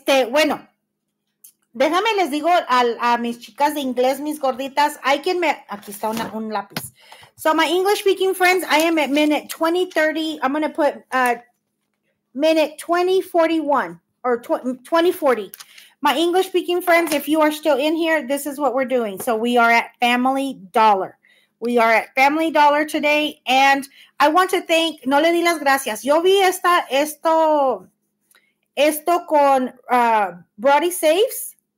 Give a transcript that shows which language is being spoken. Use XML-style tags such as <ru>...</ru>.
<es>Bueno, déjame les digo a mis chicas de inglés, mis gorditas. Hay quien me. Aquí está un lápiz.</es> <en>So, my English speaking friends, I am at minute 20:30. I'm going to put minute 20:41 or 20:40. My English speaking friends, if you are still in here, this is what we're doing. So we are at Family Dollar. We are at Family Dollar today. And I want to thank,</en> <es>no le di las gracias. Yo vi esto con Brody Saves.</es>